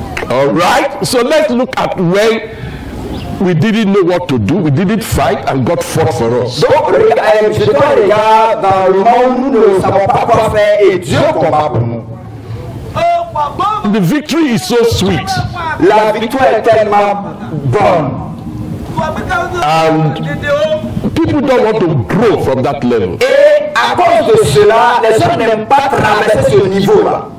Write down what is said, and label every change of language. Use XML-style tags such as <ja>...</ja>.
<en>All right, so let's look at when we didn't know what to do, we didn't fight, and God fought for us.</en> <fr>Donc, regarde dans le moment où nous ne savons pas quoi faire et Dieu combat pour nous.</fr> <en>The victory is so sweet.</en> <fr>La victoire est tellement bonne.</fr> <en>And people don't want to grow from that level.</en> <fr>Et à cause de cela, les gens n'aiment pas traverser ce niveau-là.</fr>